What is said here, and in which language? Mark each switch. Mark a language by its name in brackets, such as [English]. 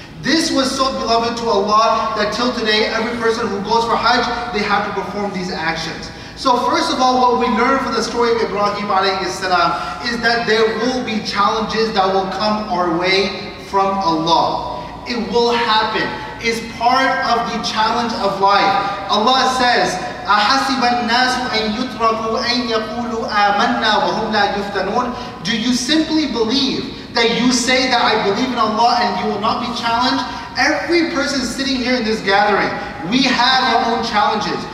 [English] This was so beloved to Allah that till today, every person who goes for Hajj, they have to perform these actions. So first of all, what we learn from the story of Ibrahim alayhi salam is that there will be challenges that will come our way from Allah. It will happen. It's part of the challenge of life. Allah says, [Arabic] أَحَسِبَ النَّاسُ أَن يُتْرَكُوا أَن يَقُولُوا آمَنَّا وَهُمْ لَا يُفْتَنُونَ. [English] Do you simply believe that you say that I believe in Allah and you will not be challenged? Every person sitting here in this gathering, we have our own challenges.